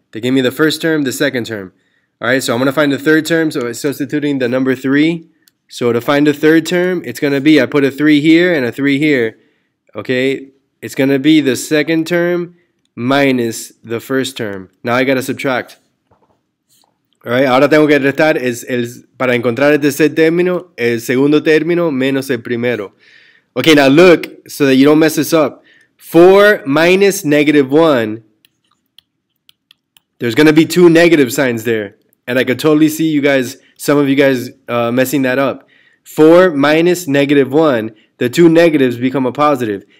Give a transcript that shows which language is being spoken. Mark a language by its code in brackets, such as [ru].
[en] They gave me the first term, the second term. Alright, so I'm going to find the third term, so it's substituting the number 3. So to find the third term, it's going to be, I put a 3 here and a 3 here. Okay? It's going to be the second term minus the first term. Now I gotta subtract. [es] Alright, ahora tengo que restar para encontrar el tercer término, el segundo término menos el primero. [en] Okay, now look so that you don't mess this up. 4 minus negative 1. There's gonna be 2 negative signs there. And I could totally see you guys, some of you guys messing that up. 4 minus negative 1, the 2 negatives become a positive.